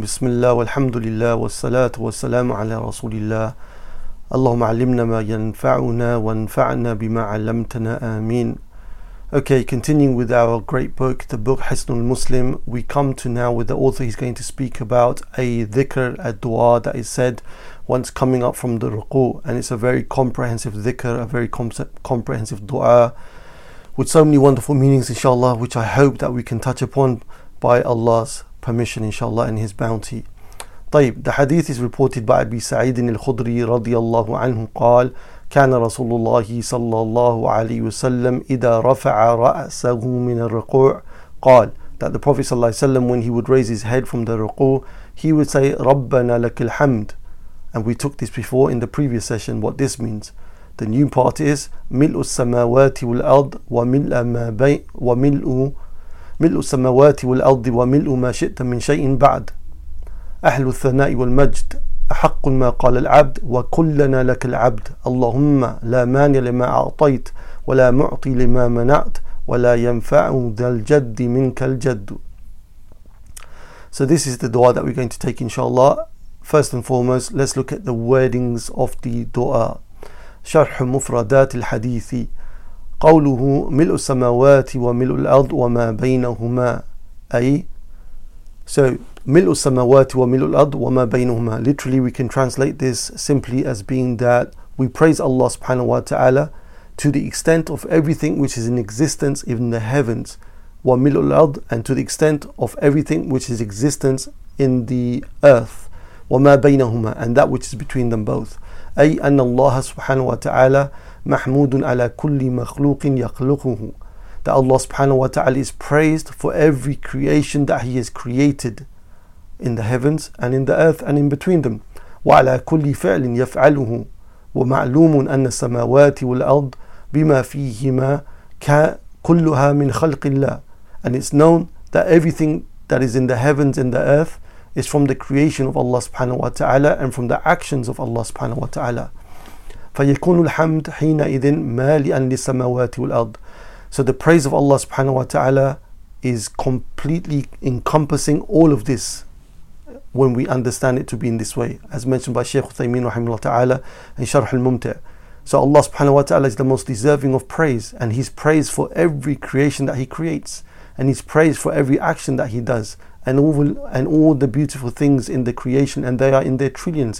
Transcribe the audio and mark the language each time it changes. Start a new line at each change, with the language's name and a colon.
Arabic: بسم الله والحمد لله والصلاة والسلام على رسول الله. اللهم علمنا ما ينفعنا وانفعنا بما علمتنا آمين.
English: Okay, continuing with our great book, the book Hisn al-Muslim, we come to now where the author is going to speak about a dhikr, a dua that is said once coming up from the ruku, and it's a very comprehensive dhikr, a very comprehensive dua with so many wonderful meanings, inshallah, which I hope that we can touch upon by Allah's permission, inshallah, and his bounty. طيب, the hadith is reported by Abi Sa'id al-Khudri radiallahu anhu qal,
Arabic: كان رسول الله صلى الله عليه وسلم إذا رفع رأسه من الركوع قال,
English: that the Prophet
Arabic: صلى الله عليه وسلم,
English: when he would raise his head from the ركوع, he would say
Arabic: ربنا لك الحمد.
English: And we took this before in the previous session what this means. The new part is
Arabic: ملء السماوات والأرض وملء ما بين وملء ملء السماوات والأرض وملء ما شئت من شيء بعد أهل الثناء والمجد أحق ما قال العبد وكلنا لك العبد اللهم لا مانع لما أعطيت ولا معطي لما منعت ولا ينفع ذا الجد منك الجد.
English: So this is the dua that we're going to take, inshallah. First and foremost, let's look at the wordings of the dua.
Arabic: شرح مفردات الحديث قوله ملء السماوات وملء الأرض وما بينهما أي.
English: So
Arabic: ملء السماوات وملء الأرض وما بينهما,
English: literally we can translate this simply as being that we praise Allah subhanahu wa ta'ala to the extent of everything which is in existence in the heavens,
Arabic: وملء الأرض,
English: and to the extent of everything which is existence in the earth,
Arabic: وما بينهما,
English: and that which is between them both.
Arabic: أي أن الله سبحانه وتعالى محمود على كل مخلوق يخلقه,
English: that Allah subhanahu wa ta'ala is praised for every creation that he has created in the heavens and in the earth and in between them.
Arabic: وعلى كل فعل يفعله ومعلوم أن السماوات والأرض بما فيهما كلها من خلق الله,
English: and it's known that everything that is in the heavens and the earth is from the creation of Allah subhanahu wa ta'ala and from the actions of Allah subhanahu wa ta'ala.
Arabic: فيكون الحمد حينئذ مالئا للسماوات والأرض.
English: So the praise of Allah subhanahu wa ta'ala is completely encompassing all of this when we understand it to be in this way, as mentioned by Shaykh Uthaymeen rahimahullah ta'ala in Sharh al-Mumta'. So Allah subhanahu wa ta'ala is the most deserving of praise, and he's praised for every creation that he creates, and he's praised for every action that he does, and all the beautiful things in the creation, and they are in their trillions.